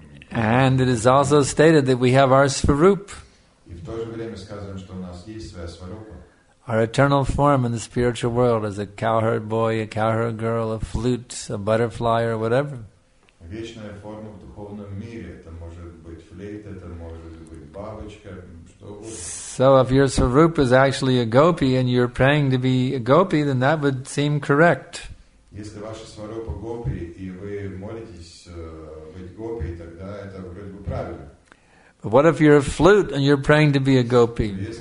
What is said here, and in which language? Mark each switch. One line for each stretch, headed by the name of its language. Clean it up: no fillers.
English: And it is also stated that we have our svarup.
Russian: И в то же время сказано, что у нас есть своя сварупа.
English: Our eternal form in the spiritual world is a cowherd boy, a cowherd girl, a flute, a butterfly, or whatever.
Russian: Вечная форма в духовном мире. Это может быть флейта, это может быть бабочка, что угодно.
English: So if your sarupa is actually a gopi and you're praying to be a gopi, then that would seem correct.
Russian: Если ваша сварупа гопи, и вы молитесь быть гопи, тогда это вроде бы правильно.
English: But what if you're a flute and you're praying to be a gopi?